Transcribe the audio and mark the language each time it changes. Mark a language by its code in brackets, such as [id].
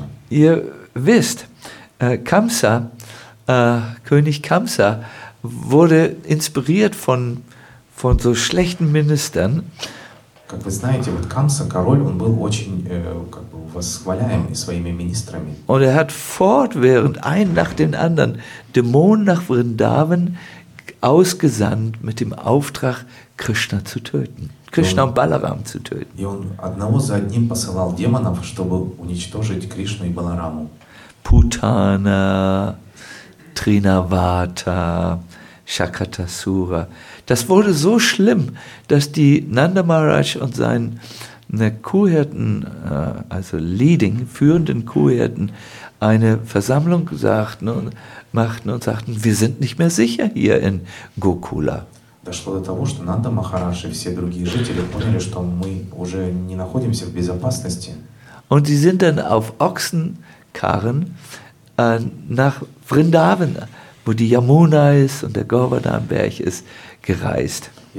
[de] Ihr wisst, Kamsa, König Kamsa, wurde inspiriert von so schlechten Ministern. [ru] Как вы знаете, вот Камса, король, он был очень как бы восхваляем своими министрами. [de] Und er hat fortwährend ein nach dem anderen Dämonen nach Vrindavan ausgesandt mit dem Auftrag Krishna zu töten. Krishna und Balaram zu töten. [ru] И он одного за одним посылал демонов, чтобы уничтожить Кришну и Балараму. Путана, Тринавата, Shakatasura. [de] Das wurde so schlimm, dass die Nanda Maharaj und seine Kuhhirten, also leading, führenden Kuhhirten, eine Versammlung sagten und machten und sagten, wir sind nicht mehr sicher hier in Gokula. [ru] Дошло до того, что Нанда Махарадж и все другие жители поняли, что мы уже не находимся в безопасности. [de] Und sie sind dann auf Ochsenkarren nach Vrindavan, wo die Yamuna ist und der Govardhanberg ist, gereist.